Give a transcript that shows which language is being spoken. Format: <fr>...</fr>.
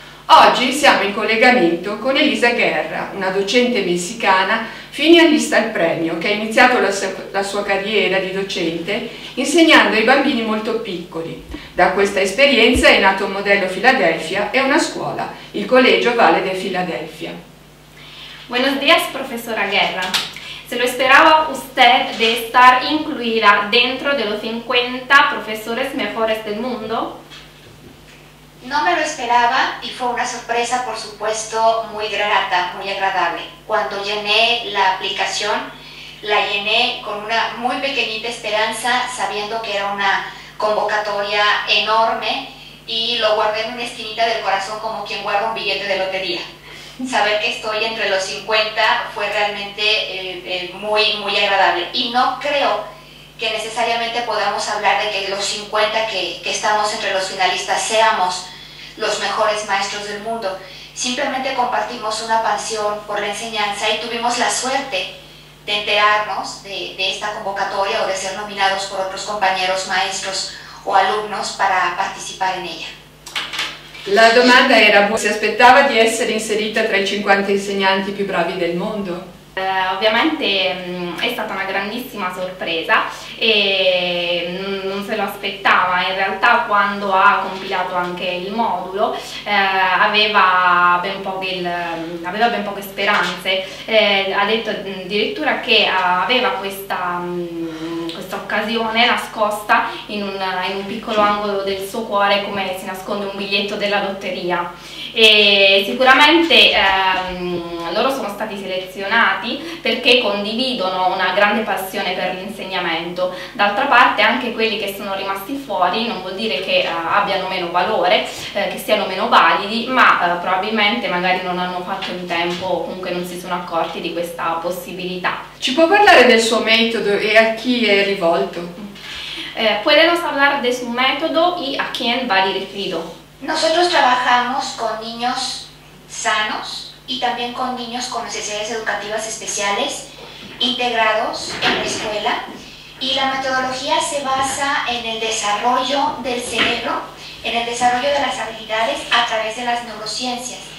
<it>Oggi siamo in collegamento con Elisa Guerra, una docente messicana finalista al premio, che ha iniziato la sua carriera di docente insegnando ai bambini molto piccoli. Da questa esperienza è nato un modello Filadelfia e una scuola, il Collegio Valle de Filadelfia.</it> <es>Buenos días, professora Guerra. Se lo esperaba usted de estar incluida dentro de los 50 profesores mejores del mundo? No me lo esperaba y fue una sorpresa, por supuesto, muy grata, muy agradable. Cuando llené la aplicación, la llené con una muy pequeñita esperanza, sabiendo que era una convocatoria enorme, y lo guardé en una esquinita del corazón como quien guarda un billete de lotería. Saber que estoy entre los 50 fue realmente muy, muy agradable. Y no creo que necesariamente podamos hablar de que los 50 que estamos entre los finalistas seamos los mejores maestros del mundo. Simplemente compartimos una pasión por la enseñanza y tuvimos la suerte de enterarnos de esta convocatoria o de ser nominados por otros compañeros maestros o alumnos para participar en ella.</es> <it>La domanda era, ¿se aspettava di essere inserita tra i 50 insegnanti più bravi del mondo? Ovviamente è stata una grandissima sorpresa e non se lo aspettava. In realtà, quando ha compilato anche il modulo, aveva ben poche speranze. Ha detto addirittura che aveva questa occasione nascosta in un piccolo angolo del suo cuore, come si nasconde un biglietto della lotteria. E sicuramente loro sono stati selezionati perché condividono una grande passione per l'insegnamento. D'altra parte, anche quelli che sono rimasti fuori non vuol dire che abbiano meno valore, che siano meno validi, ma probabilmente magari non hanno fatto in tempo o comunque non si sono accorti di questa possibilità. Ci può parlare del suo metodo e a chi è rivolto?</it> <es>Podemos hablar de su método y a quién va dirigido. Nosotros trabajamos con niños sanos y también con niños con necesidades educativas especiales integrados en la escuela, y la metodología se basa en el desarrollo del cerebro, en el desarrollo de las habilidades a través de las neurociencias.</es>